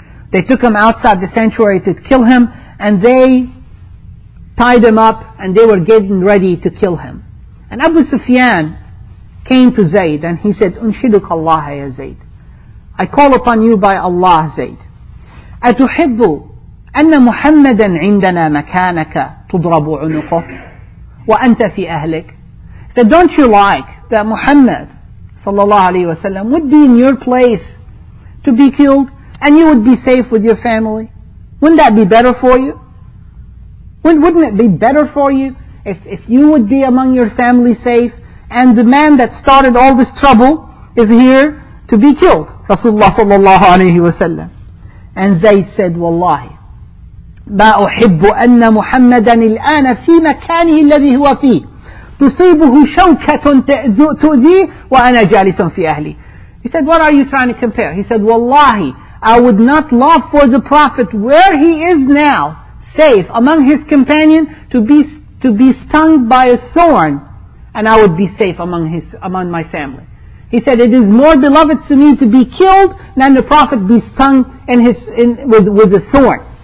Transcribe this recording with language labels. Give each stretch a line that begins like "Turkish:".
English: They took him outside the sanctuary to kill him, and they tied him up, and they were getting ready to kill him. And Abu Sufyan came to Zayd, and he said,
Arabic: "Unshiduka Allah ya Zayd.
English: I call upon you by Allah, Zayd.
Arabic: أتحب أن محمدا عندنا مكانك تضرب عنقه وأنت في أهلك."
English: He said, "Don't you like that Muhammad sallallahu alayhi wa sallam would be in your place to be killed, and you would be safe with your family? Wouldn't that be better for you? Wouldn't it be better for you if you would be among your family safe, and the man that started all this trouble is here to be killed?" Rasulullah sallallahu alayhi wa sallam. And Zayd said,
Arabic: "Wallahi, ما أحب أن محمدا الآن في مكانه الذي هو فيه تصيبه شوكة تؤذي وأنا جالس في أهلي."
English: He said, "What are you trying to compare?" He said, "Wallahi, I would not love for the Prophet where he is now, safe among his companion, to be stung by a thorn, and I would be safe among my family." He said, "It is more beloved to me to be killed than the Prophet be stung with a thorn."